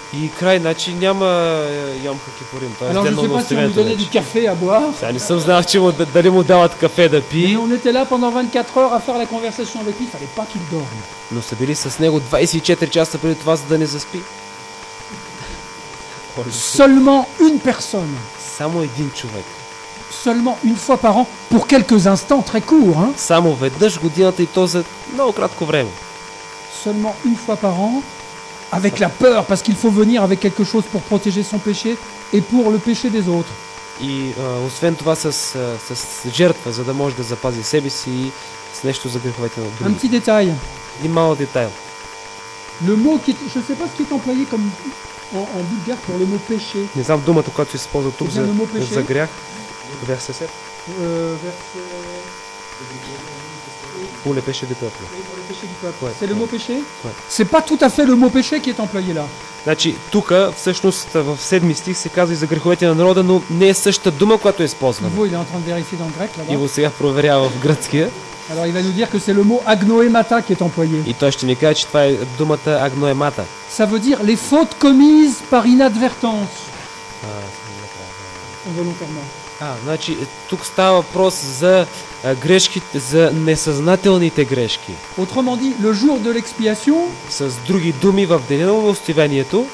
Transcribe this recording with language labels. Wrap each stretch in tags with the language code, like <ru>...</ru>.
<bg>И край, значи няма Йом Кипурим. Тоест,</bg> <fr>alors, je sais pas si vous donnez du café à boire.</fr> <bg>Сега не съм знал, че дали му дават кафе да пи.</bg> <fr>Mais on était là pendant 24 heures à faire la conversation avec lui, fallait pas qu'il dorme.</fr> <bg>Но са били с него 24 часа преди това, за да не заспи.</bg> <fr>Seulement une personne.</fr> <bg>Само един човек.</bg> <fr>Seulement une fois par an, pour quelques instants, très court, hein?</fr> <bg>Само веднъж годината и то за много кратко време.</bg> <fr>Seulement une fois par an, avec la peur, parce qu'il faut venir avec quelque chose pour protéger son péché et pour le péché des autres.</fr> <bg>И освен това с жертва, за да може да запази себе си и с нещо за греховете на другите.</bg> <fr>Un petit détail.</fr> <bg>И малък детайл.</bg> <fr>Le mot qui est, je sais pas ce qui est employé comme en bulgare pour le mot péché.</fr> <bg>Не знам думата, която се използва тук за грях.</bg> <fr>Verset 7. Pour les péchés du peuple. Pour les péchés du peuple. Ouais, c'est le mot péché? Ouais. C'est pas tout à fait le mot péché qui est employé là.</fr> <bg>Значи, тук, всъщност, в 7 стих се казва и за греховете на народа, но не е същата дума, която е използвана.</bg> <fr>Vous, il est en train de vérifier dans le grec, là-bas.</fr> <bg>И го сега проверява в гръцкия.</bg> <fr>Alors, il va nous dire que c'est le mot agnoemata qui est employé.</fr> <bg>И той ще ни каже, че това е думата агноемата.</bg> <fr>Ça veut dire les fautes commises par inadvertance. Involontairement.</fr> <bg>Значи тук става въпрос за грешките, за несъзнателните грешки.</bg> <fr>Autrement dit, le jour de l'expiation.</fr> <bg>С други думи, в деня на остивението.</bg>